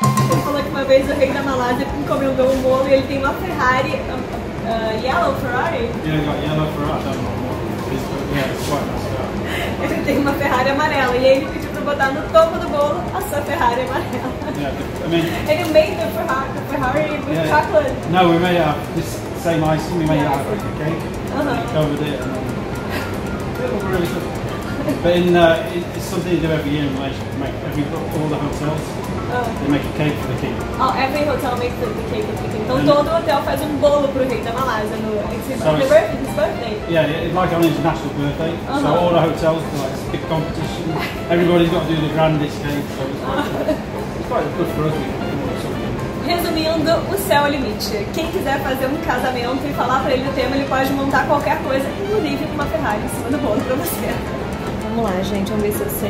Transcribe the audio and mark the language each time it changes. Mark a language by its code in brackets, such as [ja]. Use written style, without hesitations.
[pt] Ele falou que uma vez o rei da Malásia encomendou um bolo e ele tem uma Ferrari, [en] yellow Ferrari. Yeah, got yellow Ferrari, I don't know what it is, but yeah, it's quite nice. [pt] Ele tem uma Ferrari amarela e ele pediu para botar no topo do bolo a sua Ferrari amarela. [en] Yeah, I mean, [pt] ele [en] made the Ferrari with chocolate. No, we made this same icing, we made it out of a cake. Covered it and all. It looked really good. But in, it's something they do every year in Malaysia. They make all the hotels, they make a cake for the king. Oh, every hotel makes the cake for the king. [pt] Então todo hotel faz bolo pro rei da Malásia, [en] no, it's his birthday. Yeah, it's like on his national birthday. Uh-huh. So all the hotels do like a big competition. Everybody's got to do the grandest cake. So it's quite, quite good for us. [pt] Resumindo, o céu é o limite. Quem quiser fazer um casamento e falar pra ele o tema, ele pode montar qualquer coisa, inclusive uma Ferrari em cima do bolo pra você. Vamos lá, gente, vamos ver se eu sei.